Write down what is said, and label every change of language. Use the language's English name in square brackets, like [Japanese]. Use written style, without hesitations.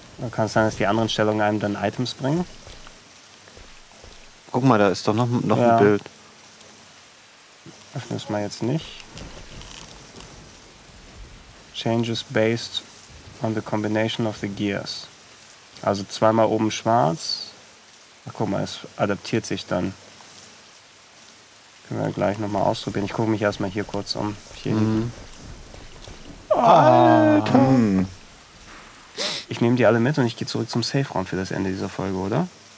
[German] Kann es sein, dass die anderen Stellungen einem dann Items bringen? Guck mal, da ist doch noch ein Bild. Öffnen es mal jetzt nicht. [English] Changes based on the combination of the gears. [German] Also zweimal oben schwarz. Ach, guck mal, es adaptiert sich dann. Können wir gleich nochmal ausprobieren. Ich gucke mich erstmal hier kurz um. Hier. Mhm. Alter! Mhm. Ich nehme die alle mit und ich gehe zurück zum Safe-Raum für das Ende dieser Folge, oder?